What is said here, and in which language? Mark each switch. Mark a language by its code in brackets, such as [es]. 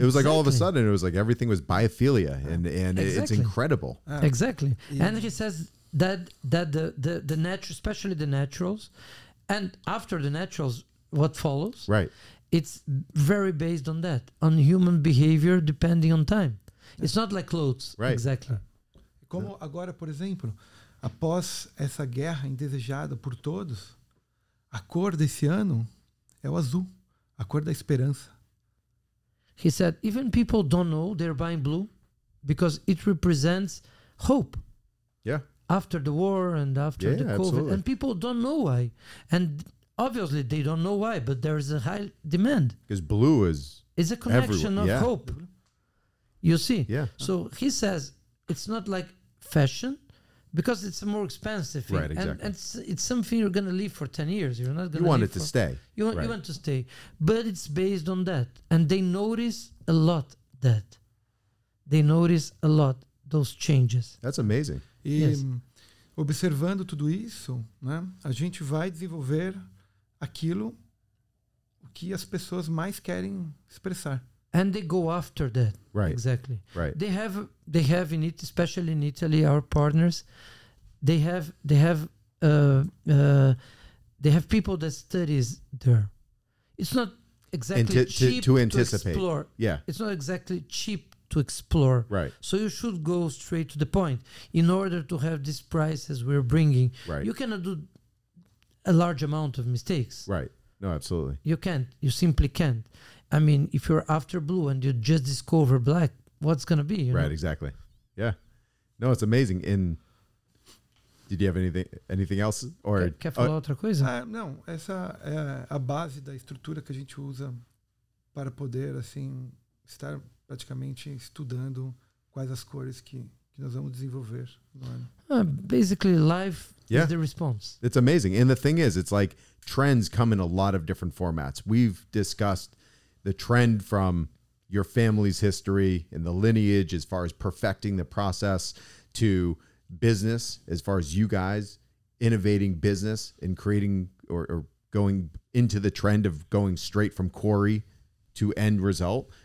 [en] It was like all of a sudden, it was like everything was biophilia. And exactly. it's incredible. Exactly. Yeah. And he says... That the natural, especially the naturals, and after the naturals, what follows? Right. It's very based on that, on human behavior depending on time. Yeah. It's not like clothes. Right. Exactly. [pt] Como agora, por exemplo, após essa guerra indesejada por todos, a cor desse ano é o azul, a cor da esperança. [en] He said, even people don't know they're buying blue because it represents hope. Yeah. After the war and after the COVID. Absolutely. And people don't know why. And obviously they don't know why, but there is a high demand. Because blue is A connection of hope. You see? Yeah. So he says, it's not like fashion. Because it's a more expensive thing. Right, exactly. And it's something you're going to live for 10 years. You're not going to live it to stay. You want to stay. But it's based on that. And they notice a lot that. They notice a lot those changes. That's amazing. [pt] E observando tudo isso, né, a gente vai desenvolver aquilo que as pessoas mais querem expressar. [en] And they go after that. Right. Exactly. Right. They have in it, especially in Italy, our partners, they have people that studies there. It's not exactly cheap to anticipate. Explore. Yeah. It's not exactly cheap to explore. Right. So you should go straight to the point in order to have these prices we're bringing. Right. You cannot do a large amount of mistakes. Right. No, absolutely. You can't. You simply can't. I mean, if you're after blue and you just discover black, what's going to be? Right, exactly. Yeah. No, it's amazing. And did you have anything else? Or [pt] quer falar outra coisa? Não, essa é a base da estrutura que a gente usa para poder, assim, estar praticamente estudando quais as cores que nós vamos desenvolver. [en] Basically, life is the response. It's amazing. And the thing is, it's like trends come in a lot of different formats. We've discussed the trend from your family's history and the lineage as far as perfecting the process to business, as far as you guys innovating business and creating or going into the trend of going straight from quarry to end result.